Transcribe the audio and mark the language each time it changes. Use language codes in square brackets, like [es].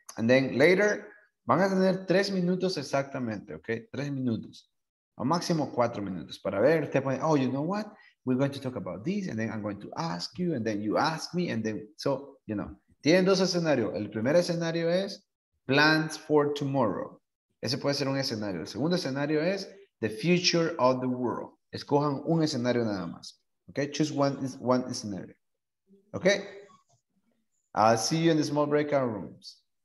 [en] And then later, [es] van a tener 3 minutos exactamente, okay? 3 minutos, o máximo 4 minutos, para ver, te ponen, [en] oh, you know what? We're going to talk about this and then I'm going to ask you and then you ask me and then, so, you know. [es] Tienen dos escenarios. El primer escenario es [en] plans for tomorrow. [es] Ese puede ser un escenario. El segundo escenario es [en] the future of the world. [es] Escojan un escenario nada más. [en] Okay, choose one scenario. Okay, I'll see you in the small breakout rooms.